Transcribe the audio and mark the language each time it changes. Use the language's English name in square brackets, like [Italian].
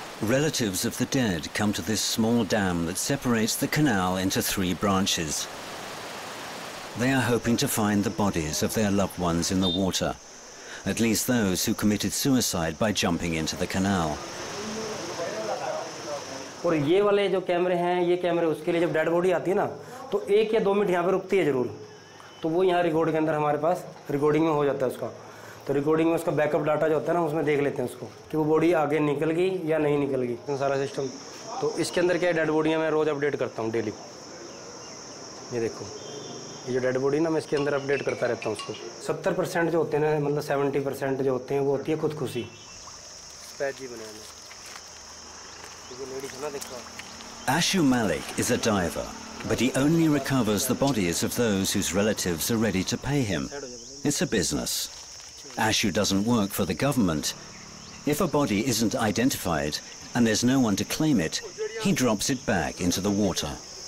[English] Relatives of the dead come to this small dam that separates the canal into three branches. They are hoping to find the bodies of their loved ones in the water, at least those who committed suicide by jumping into the canal. [Hindi] और ये वाले जो कैमरे हैं ये कैमरे उसके लिए जब डेड बॉडी आती है ना तो एक या दो मिनट यहां पे रुकती है जरूर तो वो यहां रिकॉर्ड के अंदर हमारे पास रिकॉर्डिंग में हो जाता है उसका तो रिकॉर्डिंग में उसका बैकअप डाटा जो होता है ना उसमें देख लेते हैं उसको कि वो बॉडी आगे निकल गई या नहीं निकल गई सारा सिस्टम तो इसके अंदर क्या डेड बॉडीयां मैं रोज अपडेट करता हूं डेली ये देखो ये जो डेड बॉडी ना मैं इसके अंदर अपडेट करता रहता हूं उसको 70% जो होते हैं ना मतलब 70% जो होते हैं वो होती है खुदकुशी स्पैजी बनाने [English] Ashu Malik is a diver, but he only recovers the bodies of those whose relatives are ready to pay him. It's a business. Ashu doesn't work for the government. If a body isn't identified and there's no one to claim it, he drops it back into the water.